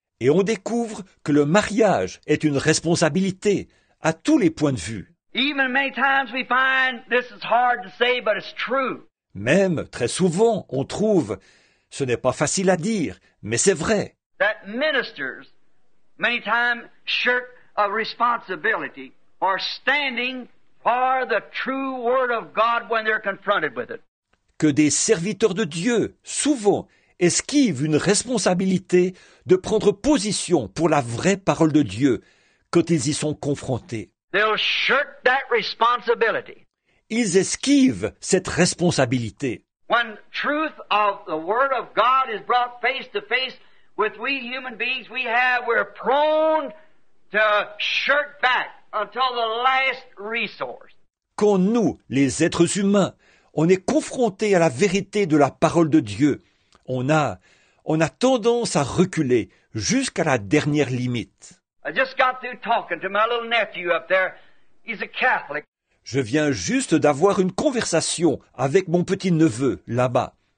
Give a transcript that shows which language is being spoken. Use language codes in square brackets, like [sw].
[fr] Et on découvre que le mariage est une responsabilité à tous les points de vue. [en] Even many times we find this is hard to say, but it's true. [fr] Même très souvent, on trouve, ce n'est pas facile à dire, mais c'est vrai. [en] That ministers many times shirk a responsibility or standing for the true word of God when they're confronted with it. [fr] Que des serviteurs de Dieu, souvent, esquivent une responsabilité de prendre position pour la vraie parole de Dieu quand ils y sont confrontés. [en] They'll shirk that responsibility. [fr] Ils esquivent cette responsabilité. [en] When truth of the word of God is brought face to face with we human beings, we're prone to shirk back until the last resource. [fr] Quand nous, les êtres humains, on est confronté à la vérité de la parole de Dieu, on a tendance à reculer jusqu'à la dernière limite. [en] I just got through talking to my little nephew up there. He's a Catholic. [fr] Je viens juste d'avoir une conversation avec mon petit neveu là-bas.